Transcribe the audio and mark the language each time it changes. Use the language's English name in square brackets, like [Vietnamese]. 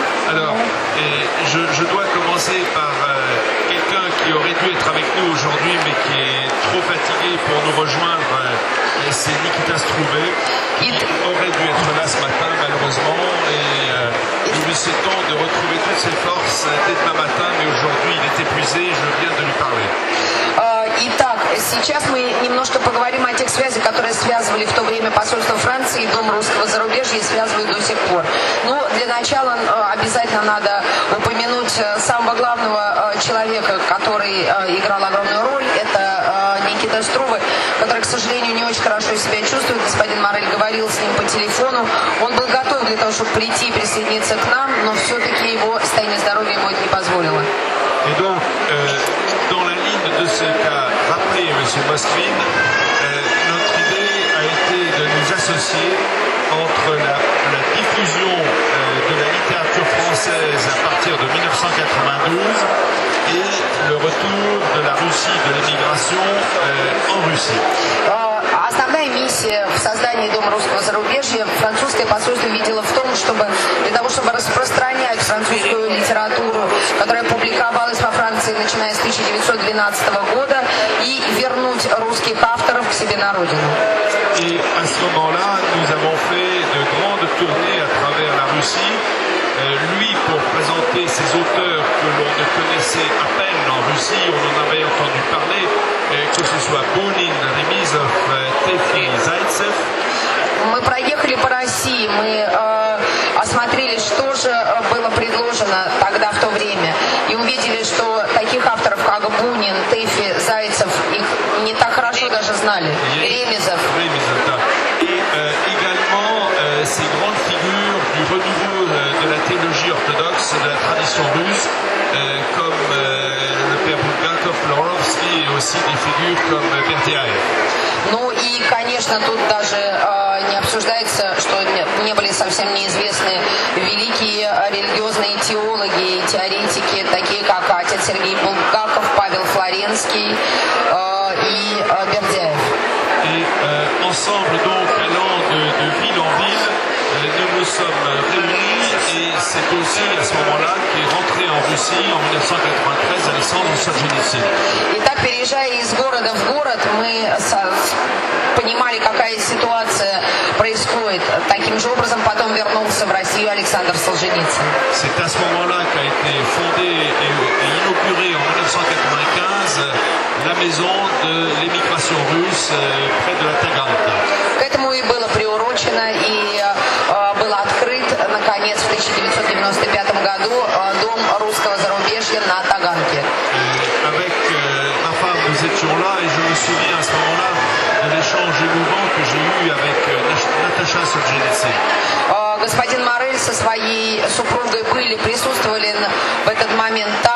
[French] Alors, je dois commencer par quelqu'un qui aurait dû être avec nous aujourd'hui, mais qui est trop fatigué pour nous rejoindre. C'est Nikita Strouvé, qui aurait dû être là ce matin, malheureusement. Et nous lui souhaitons de retrouver toutes ses forces dès demain matin, mais aujourd'hui, il est épuisé. Je viens de lui parler. [Russian] Итак, сейчас мы немножко поговорим о тех связях, которые связывали в то время посольство Франции и Дом русского зарубежья, и связывают до сих пор. Но для начала обязательно надо упомянуть самого главного человека, который играл огромную роль, это Никита Струве, который, к сожалению, не очень хорошо себя чувствует. Господин Морель говорил с ним по телефону. Он был готов для того, чтобы прийти и присоединиться к нам, но все-таки его состояние здоровья ему это не позволило. [French] Et donc, dans la ligne de ce qu'a rappelé M. Maskin, notre idée a été de nous associer entre la diffusion de la littérature française à partir de 1992 et le retour de la Russie, de l'immigration en Russie. [Russian] Основная миссия в создании Дома русского зарубежья французское посольство видело в том, чтобы для того, чтобы распространять французскую литературу, которая публиковалась во Франции, начиная с 1912 года, и вернуть русских авторов к себе на родину. И [French] à ce moment-là, nous avons fait de grandes tournées à travers la Russie, lui pour présenter ses auteurs que l'on ne connaissait à peine en Russie, on en avait entendu parler. Que ce soit Bounin, Remizov, Tefi, Zaitsev. [Russian] Мы проехали по России, мы осмотрели, что же было предложено тогда в то время, и увидели, что таких авторов, как Бунин, Тефи, Зайцев, их не так хорошо даже знали. Ремизов. Ремизов, да. [French] Également ces grandes figures du renouveau de la théologie orthodoxe, de la tradition russe, comme le père Булгаков, Флоровский, et aussi des figures comme Бердяев. [Russian] Ну и, конечно, тут даже не обсуждается, что не были совсем неизвестны великие религиозные теологи и теоретики, такие как отец Сергей Булгаков, Павел Флоренский и Бердяев. [French] Ensemble donc, allant de ville en ville, nous nous sommes réunis et c'est aussi à ce moment-là qu'est rentré en Russie en 1993 Alexandre Solzhenitsyn. [Russian] Итак, переезжая из города в город, мы понимали, какая ситуация происходит. Таким же образом потом вернулся в Россию Александр Солженицын. [French] C'est à ce moment-là qu'a été fondée et inaugurée en 1995 la maison de l'émigration russe près de la Taganka. [Russian] К этому и было приурочено и был открыт наконец в 1995 году дом русского зарубежья на Таганке. [French] Avec ma femme, nous étions là et je me souviens à ce moment-là de l'échange émouvant que j'ai eu avec Natacha Solzhenitsyn. [Russian] Господин Морель со своей супругой были присутствовали в этот момент